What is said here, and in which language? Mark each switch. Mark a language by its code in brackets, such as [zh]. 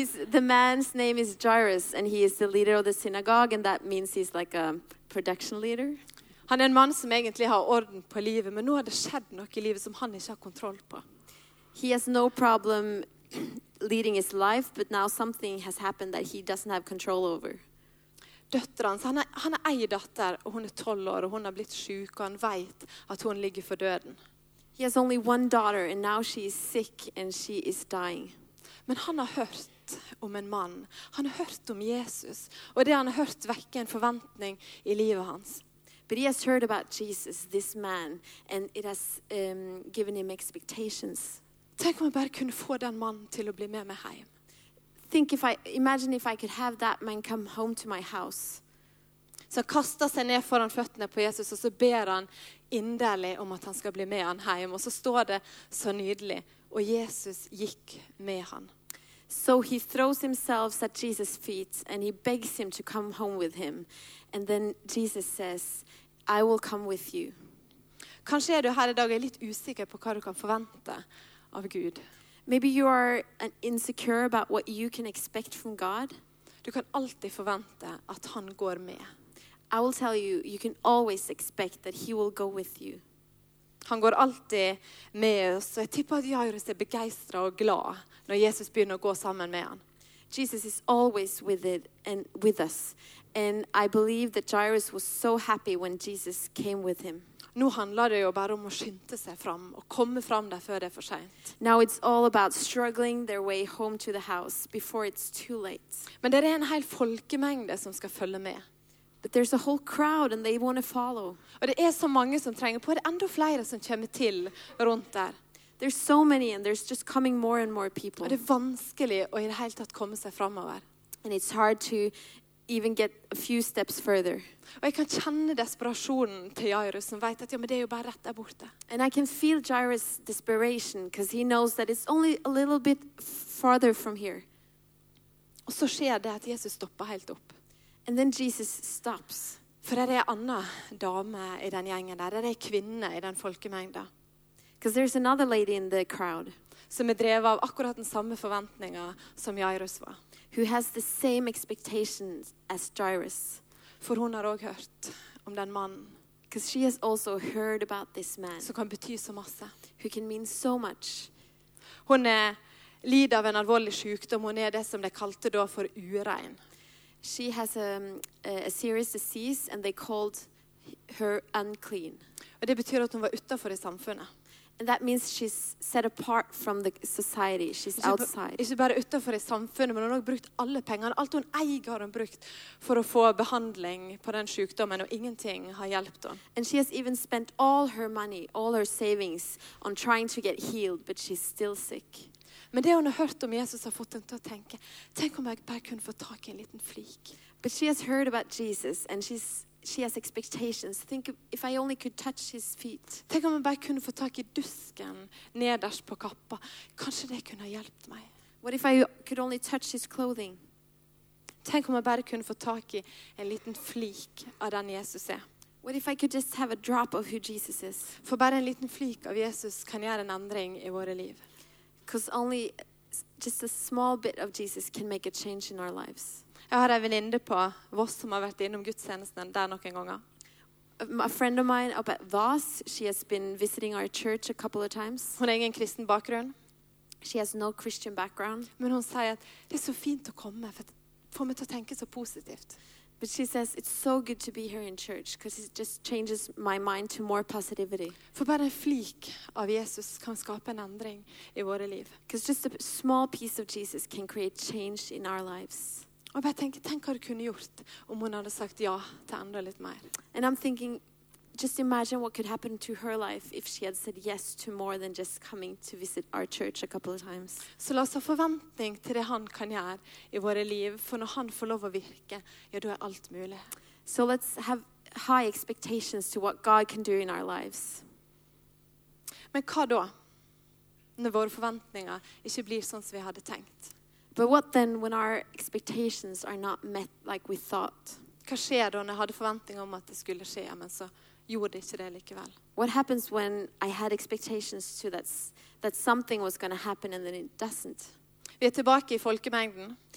[en] The man's name is Jairus and he is the leader of the synagogue, and that means he's like a production leader. [sv] Han är en man som egentligen har orden på livet, men nu har det skett något i livet som han inte har kontroll på. [en] He has no problem leading his life, but now something has happened that he doesn't have control over. [sv] Döttrarna, han har en dotter och hon är 12 år och hon har blivit sjuk och han vet att hon ligger för döden. [en] He has only one daughter and now she is sick and she is dying. [sv] Men han har hört om en man. Han har hört om Jesus och det han har hört väcker en förväntning i livet hans. [en] But he has heard about Jesus, this man, and it has given him expectations. [sv] Tänk om jag bara kunde få den mannen till att bli med mig hem. [en] Imagine if I could have that man come home to my house. [sv] Så kastar sig ner föran fötterna på Jesus och så ber han innerligt om att han ska bli med han hem. Och så står det så nydligt. Och Jesus gick med han. [en] So he throws himself at Jesus' feet and he begs him to come home with him. And then Jesus says, I will come with you. [sv] Kanske är du här idag lite osäker på vad du kan förvänta av Gud. [en] Maybe you are insecure about what you can expect from God. [sv] Du kan alltid förvänta att han går med. [en] I will tell you, you can always expect that he will go with you. [sv] Han går alltid med oss. Jag tippar att Jairus är begeistrad och glad när Jesus börjar gå samman med han. [en] Jesus is always with us. And I believe that Jairus was so happy when Jesus came with him. [sv] Nu handlar det ju bara om att skynda sig fram och komma fram där för det är för sent. [en] Now it's all about struggling their way home to the house before it's too late. [sv] Men det är en hel folkmängd som ska följa med. [en] But there's a whole crowd and they want to follow. [sv] Och det är så många som tränger på, det är ändå flera som kommer till runt där. [en] There's so many and there's just coming more and more people. [sv] Och det är vanskeligt och i det hela att komma sig framöver. [en] And it's hard to even get a few steps further. [sv] Och jag kan känna desperationen till Jairus som vet att ja, men det är ju bara rätt där borta. [en] And I can feel Jairus' desperation because he knows that it's only a little bit farther from here. [sv] Och så sker det att Jesus stoppar helt upp. [en] And then Jesus stops. [sv] För det är Anna, dame i den gängen där. Det är kvinna i den folkmängden. [en] Because there's another lady in the crowd. [sv] Som är drev av akkurat den samma förväntningar som Jairus var. [en] Who has the same expectations as Jairus. [sv] För hon har också hört om den mannen. [en] Because she has also heard about this man. [no] Som kan bety så masse. [en] Who can mean so much. [no] Hun lider av en alvorlig sykdom. Hun det som de kalte da for urein. [en] She has a serious disease and they called her unclean. [no] Og det betyr at hun var utenfor I samfunnet. [en] And that means she's set apart from the society. She's outside. [no] Ikke bare utenfor I samfunnet, men hun har brukt alle pengene. Alt hun eier har hun brukt for å få behandling på den sykdommen, og ingenting har hjulpet henne. [en] And she has even spent all her money, all her savings, on trying to get healed, but she's still sick. [no] Men det hun har hørt om Jesus har fått henne til å tenke, tenk om jeg bare kunne få tak I en liten flik. [en] But she has heard about Jesus, and she has expectations. Think if I only could touch his feet. [sv] Tänk om jag bara kunde få tag I dusken nederst på kappa. Kanske det kunde ha hjälpt mig. [en] What if I could only touch his clothing? [sv] Tänk om jag bara kunde få tag I en liten flik av den Jesus är. [en] What if I could just have a drop of who Jesus is? [sv] För bara en liten flik av Jesus kan göra en ändring I våra liv. [en] Because only just a small bit of Jesus can make a change in our lives. [sv] Jag har en väninna på Voss som har varit inom gudstjänsten där någon gång. [en] A friend of mine up at Voss, she has been visiting our church a couple of times. [sv] Hon har ingen kristen bakgrund. [en] She has no Christian background. [sv] Men hon säger att det är så fint att komma för att få mig att tänka så positivt. [en] But she says it's so good to be here in church because it just changes my mind to more positivity. [sv] För bara en flik av Jesus kan skapa en ändring I våra liv. [en] Because just a small piece of Jesus can create change in our lives. [sv] Och jag tänker tänk vad du kunde gjort om hon hade sagt ja till andra lite mer. [en] And I'm thinking just imagine what could happen to her life if she had said yes to more than just coming to visit our church a couple of times. [sv] Så låt oss ha förväntning till det han kan göra I våra liv för när han får lov att virka, ja då är allt möjligt. [en] So let's have high expectations to what God can do in our lives. [sv] Men vad då när våra förväntningar inte blir sånt som vi hade tänkt? [en] But what then when our expectations are not met like we thought? [no] Hva skjer da jeg hadde forventninger om at det skulle skje, men så gjorde det ikke det likevel? [en] What happens when I had expectations to that something was going to happen and then it doesn't? [no] Vi tilbake I folkemengden.